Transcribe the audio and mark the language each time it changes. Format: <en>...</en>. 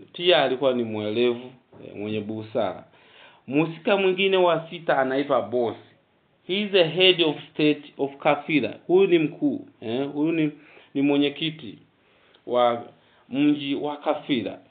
<sw>Pia alikuwa ni mwelevu, mwenye busara. Mhusika mwingine wa 6 anaitwa Boss.</sw> <en>He's a head of state of Kafira.</en> <sw>Huyu ni mkuu, huyu ni mwenyekiti wa mji wa Kafira.</sw>